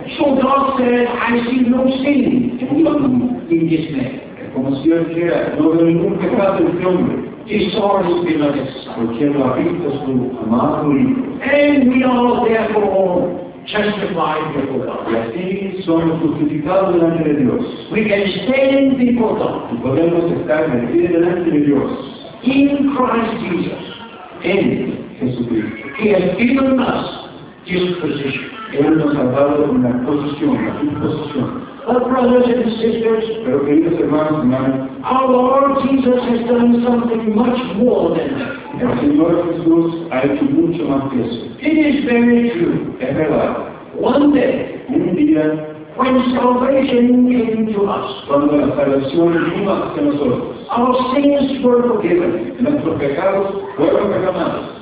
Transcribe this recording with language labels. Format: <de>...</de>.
<en>So God said, I see no sin in this man.</en> <es>Como si Dios dijera, no veo ningún pecado en este hombre.</es> <en>He saw his beloved Son.</en> <es>Porque lo ha visto su amado Hijo.</es> <en>And we are therefore justified before God.</en> <es>Y así somos justificados delante de Dios.</es> <en>We can stand before God.</en> <es>Y podemos estar en pie delante de Dios.</es> <en>In Christ Jesus.</en> <es>En Jesucristo.</es> <en>He has given us his position.</en> <es>Él nos ha dado una posición, una disposición.</es> <en>But brothers and sisters,</en> <es>pero queridos hermanos y hermanas,</es> <en>our Lord Jesus has done something much more than that.</en> <es>El Señor Jesús ha hecho mucho más que eso.</es> <en>It is very true.</en> <es>Es verdad.</es> <en>One day,</en> <es>un día,</es> <en>when salvation came to us,</en> <es>cuando la salvación vino hacia nosotros,</es> <en>our sins were forgiven.</en> <es>Nuestros pecados fueron perdonados.</es>